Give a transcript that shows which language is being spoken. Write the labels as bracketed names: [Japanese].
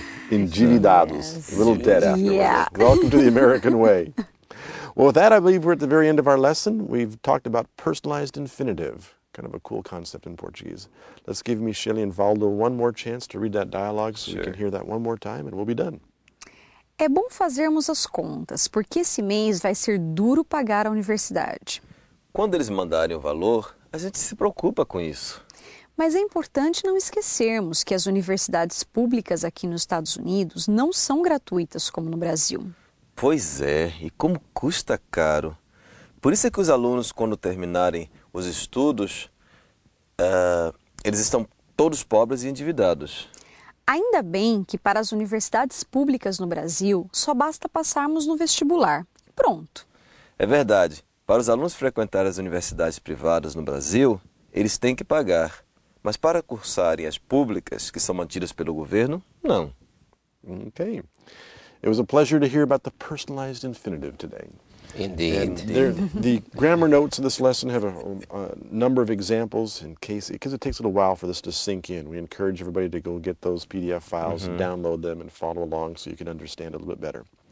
[English] Endividados, a little debt afterwards. Yeah. Welcome to the American way. Well, with that, I believe we're at the very end of our lesson. We've talked about personalized infinitive, kind of a cool concept in Portuguese. Let's give Michele and Valdo one more chance to read that dialogue so you can hear that one more time, and we'll be done. [Portuguese] É bom fazermos as contas, porque esse mês vai ser duro pagar a universidade. Quando eles mandarem o valor, a gente se preocupa com isso. Mas é importante não esquecermos que as universidades públicas aqui nos Estados Unidos não são gratuitas como no Brasil. Pois é, e como custa caro. Por isso é que os alunos, quando terminarem os estudos, eles estão todos pobres e endividados. Ainda bem que para as universidades públicas no Brasil, só basta passarmos no vestibular. Pronto. É verdade. Para os alunos frequentarem as universidades privadas no Brasil, eles têm que pagar. Mas para cursarem as públicas, que são mantidas pelo governo, não. [English] Ok. It was a pleasure to hear about the personalized infinitive today. Indeed. The grammar notes of this lesson have a number of examples in case, because it takes a little while for this to sink in. We encourage everybody to go get those PDF files and download them and follow along so you can understand a little bit better.